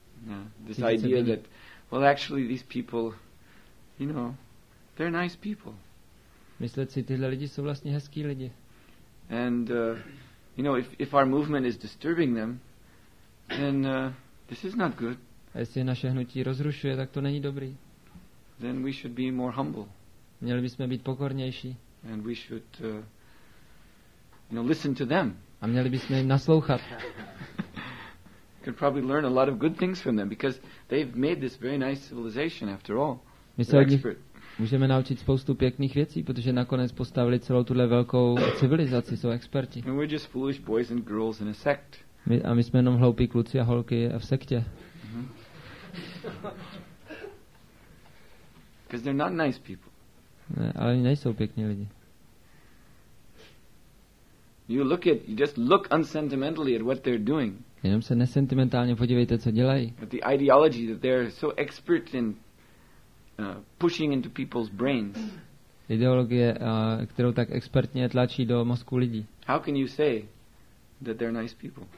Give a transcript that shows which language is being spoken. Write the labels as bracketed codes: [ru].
[en] Yeah, this idea that, well, actually these people, you know, they're nice people. [cs] Myslet si, tyhle lidi jsou vlastně hezký lidi. [en] And, you know, if our movement is disturbing them, then this is not good. [cs] A jestli naše hnutí rozrušuje, tak to není dobrý. [en] Then we should be more humble. [cs] Měli bychom být pokornější. [en] And we should, you know, listen to them. [cs] A měli bychom jim naslouchat. [en] Could probably learn a lot of good things from them because they've made this very nice civilization after all. [cs] Můžeme naučit spoustu pěkných věcí, protože nakonec postavili celou tuhle velkou civilizaci, jsou experti. [en] And we're just foolish boys and girls in a sect. [cs] A my jsme jenom hloupí kluci a holky v sektě. [en] Because they're not nice people. [cs] Ne, ale oni nejsou pěkní lidi. [en] You just look unsentimentally at what they're doing. [cs] Jenom se nesentimentálně podívejte, co dělají. [en] But the ideology that they're so expert in pushing into people's brains. [cs] Ideologie, kterou tak expertně tlačí do mozku lidí. [en] How can you say that they're nice people?